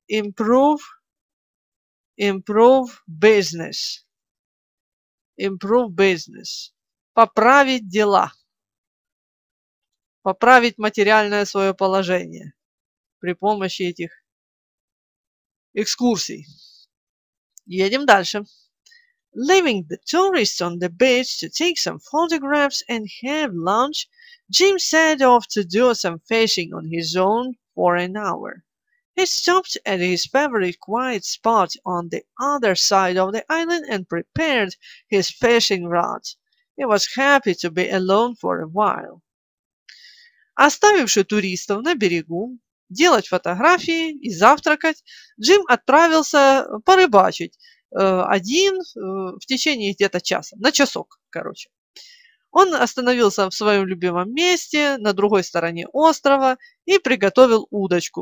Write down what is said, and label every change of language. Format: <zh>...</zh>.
<en>Improve business. Improve business.</en> <ru>Поправить дела. Поправить материальное свое положение при помощи этих экскурсий. Едем дальше.</ru> <en>Leaving the tourists on the beach to take some photographs and have lunch, Jim set off to do some fishing on his own for an hour. He stopped at his favorite quiet spot on the other side of the island and prepared his fishing rod. He was happy to be alone for a while.</en> <ru>Оставивши туристов на берегу, делать фотографии и завтракать, Джим отправился порыбачить один в течение где-то часа, на часок, короче. Он остановился в своем любимом месте на другой стороне острова и приготовил удочку.</ru>